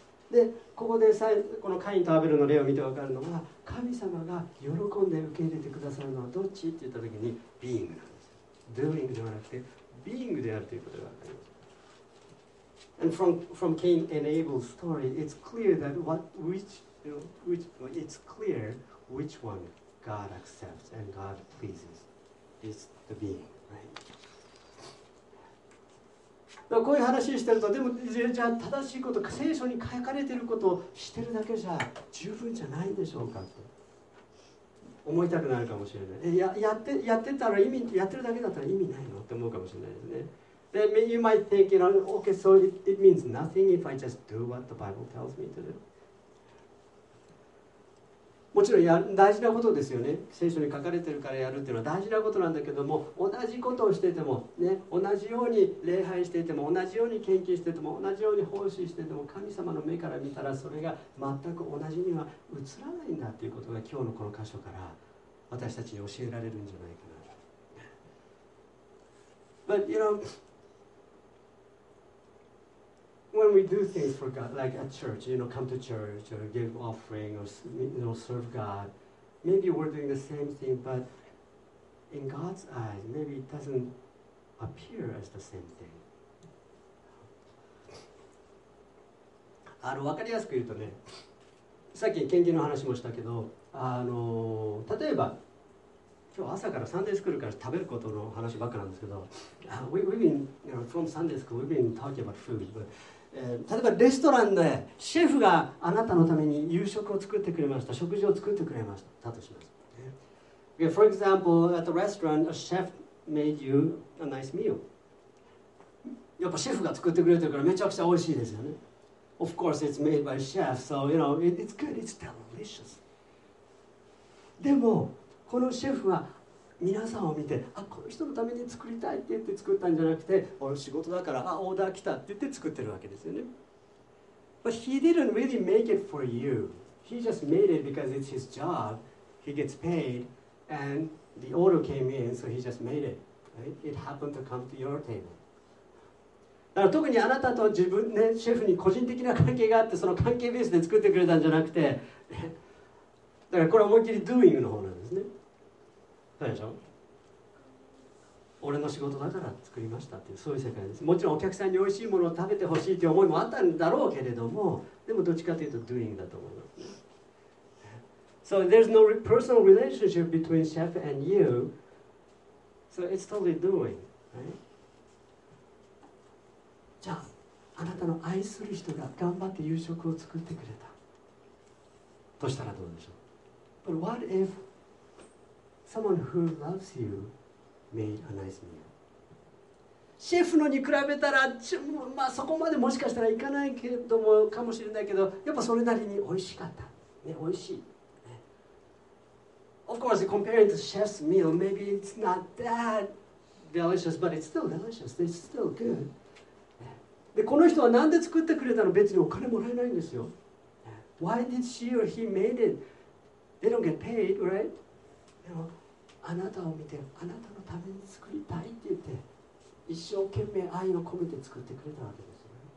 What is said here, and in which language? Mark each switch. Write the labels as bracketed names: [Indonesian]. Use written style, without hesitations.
[Japanese] でここでこのカインとアベルの例を見て分かるのは、神様が喜んで受け入れてくださるのはどっちって言った時に、ビーイングなんです。ドゥイングではなくてビーイングであるということが分かります。 [English] And from Cain and Abel's story, it's clear that it's clear which one God accepts and God pleases. It's the being, right? [Japanese] こういう話をしてると、でもじゃあ正しいこと、聖書に書かれていることをしてるだけじゃ十分じゃないでしょうかと思いたくなるかもしれない。やってるだけだったら意味ないのって思うかもしれないですね。 [English] で、you might think, you know, okay, so it means nothing if I just do what the Bible tells me to do. [Japanese] もちろん大事なことですよね。聖書に書かれてるからやるっていうのは大事なことなんだけども、同じことをしてても、ね、同じように礼拝していても、同じように献金していても、同じように奉仕していても、神様の目から見たらそれが全く同じには映らないんだっていうことが、今日のこの箇所から私たちに教えられるんじゃないかな。 [English] But you know, when we do things for God, like at church, you know, come to church or give offering or, you know, serve God, maybe we're doing the same thing, but in God's eyes, maybe it doesn't appear as the same thing. [Japanese] わかりやすく言うとね、さっき献金の話もしたけど、例えば、今日朝からサンデースクールから食べることの話ばっかなんですけど、 [English] we've been, you know, from Sunday school, we've been talking about food, but [Japanese] 例えばレストランでシェフがあなたのために夕食を作ってくれました、食事を作ってくれましたとします。 [English] Okay. For example, at the restaurant, a chef made you a nice meal. [Japanese] やっぱシェフが作ってくれてるからめちゃくちゃ美味しいですよね。 [English] Of course, it's made by chef, so you know, it's good, it's delicious. [Japanese] でも、このシェフは皆さんを見て、あ、この人のために作りたいって言って作ったんじゃなくて、俺仕事だから、あ、オーダー来たって言って作ってるわけですよね。 [English] But he didn't really make it for you. He just made it because it's his job. He gets paid and the order came in, so he just made it. It happened to come to your table. [Japanese] だから特にあなたと自分ね、シェフに個人的な関係があって、その関係ベースで作ってくれたんじゃなくて、だからこれは思いっきり doing の方なんですね。でしょ、俺の仕事だから作りましたっていう、そういう世界です。もちろんお客さんに美味しいものを食べてほしいという思いもあったんだろうけれども、でもどっちかというと doing だと思います。 [English] So there's no personal relationship between chef and you. So it's totally doing, right? [Japanese] じゃあ、あなたの愛する人が頑張って夕食を作ってくれたとしたらどうでしょう。 [English] But what ifSomeone who loves you made a nice meal. [Japanese] シェフのに比べたら、まあ、そこまでもしかしたらいかないけどもかもしれないけど、やっぱそれなりに美味しかった。ね、美味しい。ね、 [English] of course, comparing to chef's meal, maybe it's not that delicious, but it's still delicious. It's still good. [Japanese] で、この人はなんで作ってくれたの？別にお金もらえないんですよ。 [English] Why did she or he made it? They don't get paid, right? [Japanese] でも、あなたを見て、あなたのために作りたいって言って、一生懸命愛を込めて作ってくれたわけですよ。